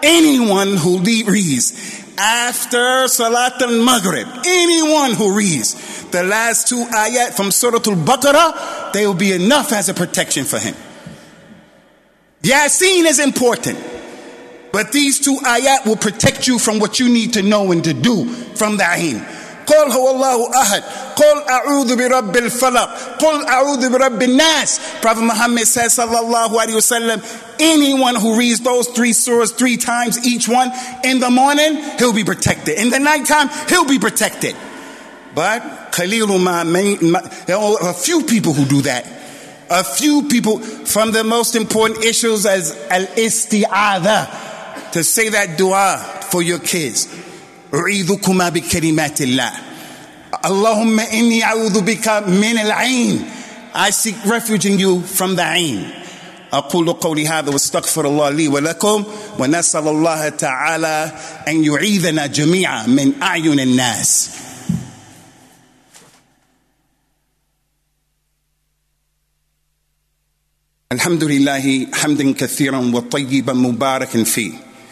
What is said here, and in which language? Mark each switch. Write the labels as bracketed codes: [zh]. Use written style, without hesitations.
[en] Anyone who reads after Salat al-Maghrib, anyone who reads the last two ayat from Surah Al-Baqarah, they will be enough as a protection for him. Yasin is important, but these two ayat will protect you from what you need to know and to do from the Ayn. [ar] قل هو الله أحد قل أعوذ برب الفلق قل أعوذ برب الناس. [en] Prophet Muhammad says sallallahu alayhi wa sallam, anyone who reads those three surahs three times, each one in the morning, he'll be protected. In the nighttime, he'll be protected. But a few people who do that, a few people, from the most important issues as al-isti'adha, to say that dua for your kids. [ar] أعيذكما بكلمات الله. اللهم إني أعوذ بك من العين. [en] I seek refuge in you from the عين. [ar] أقول قولي هذا واستغفر الله لي ولكم ونسأل الله تعالى أن يعيذنا جميعا من أعين الناس. الحمد لله حمدا كثيرا وطيبا مباركا فيه.